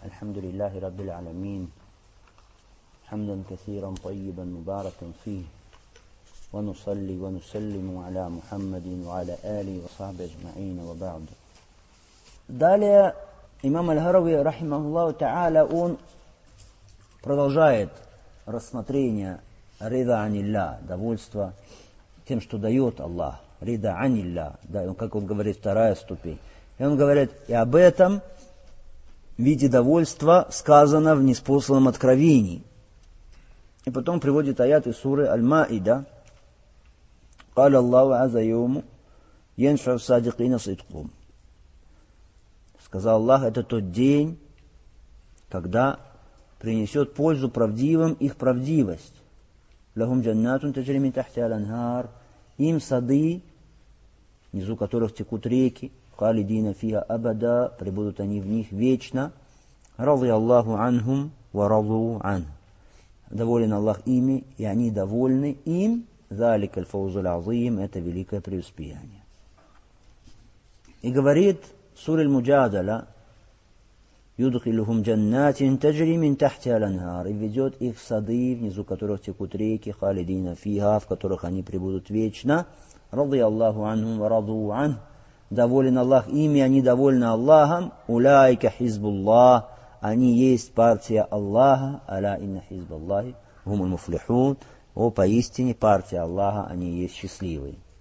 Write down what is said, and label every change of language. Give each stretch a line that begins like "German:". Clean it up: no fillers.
Arabic: الحمد لله رب العالمين، حمدا كثيرا طيبا مباركا فيه، ونصلي ونسلم على محمد وعلى آله وصحبه أجمعين، وبعد. داليا إمام الهروي رحمه الله تعالى
Russian: он продолжает рассмотрение рида
Arabic: عن الله،
Russian: довольство тем, что дает Аллах. Рида
Arabic: عن الله،
Russian: да, как он говорит, вторая ступень. И он говорит и об этом в виде довольства сказано в неспосланном откровении. И потом приводит аят из суры Аль-Маида.
Arabic: قال الله عز يوم ينفع الصادقين صدقهم.
Russian: Сказал Аллах, это тот день, когда принесет пользу правдивым их правдивость.
Arabic: لهم جنات تجري من تحتها الأنهار.
Russian: Им сады, внизу которых текут реки.
Arabic: خالدين فيها أبدا.
Russian: Пребудут они в них вечно.
Arabic: رضي الله عنهم ورضوا عنه.
Russian: Доволен Аллах ими, и они довольны им.
Arabic: ذلك الفوز العظيم.
Russian: Это великое преуспеяние. И говорит
Arabic: سورة المجادلة يدخلهم جنات تجري من تحتها الأنهار.
Russian: И ведет их в сады, внизу которых текут реки.
Arabic: خالدين فيها,
Russian: в которых они пребудут вечно.
Arabic: رضي الله عنهم ورضوا عنه.
Russian: Доволен Аллах ими, они довольны Аллахом.
Arabic: أولئك حزب الله.
Russian: Они есть партия Аллаха.
Arabic: Аля инна хизбаллахи хумул муфлихун.
Russian: О, поистине партия Аллаха, они есть счастливые.